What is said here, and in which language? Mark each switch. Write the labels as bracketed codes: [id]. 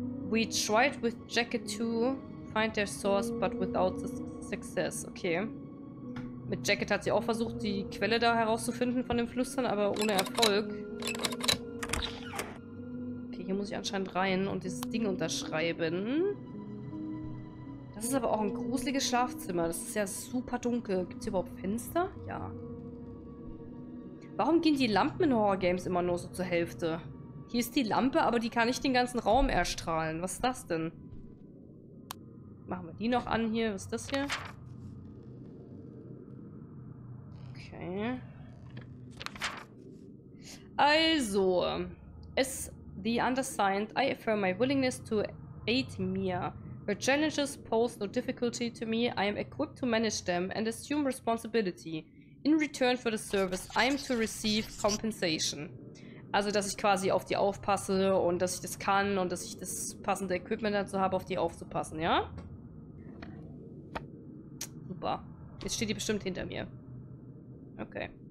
[en] We tried with Jacket to find their source, but without success. Okay. [de] Mit Jacket hat sie auch versucht, die Quelle da herauszufinden von dem Flüstern, aber ohne Erfolg. Okay, hier muss ich anscheinend rein und dieses Ding unterschreiben. Das ist aber auch ein gruseliges Schlafzimmer. Das ist ja super dunkel. Gibt es hier überhaupt Fenster? Ja. Warum gehen die Lampen in Horror-Games immer nur so zur Hälfte? Hier ist die Lampe, aber die kann nicht den ganzen Raum erstrahlen. Was ist das denn? Machen wir die noch an hier. Was ist das hier? Okay. Also. [en] As the undersigned, I affirm my willingness to aid Mia. Her challenges pose no difficulty to me. I am equipped to manage them and assume responsibility. In return for the service, I am to receive compensation. [de] Also, dass ich quasi auf die aufpasse und dass ich das kann und dass ich das passende Equipment dazu habe, auf die aufzupassen, ja? Super. Jetzt steht die bestimmt hinter mir. Okay.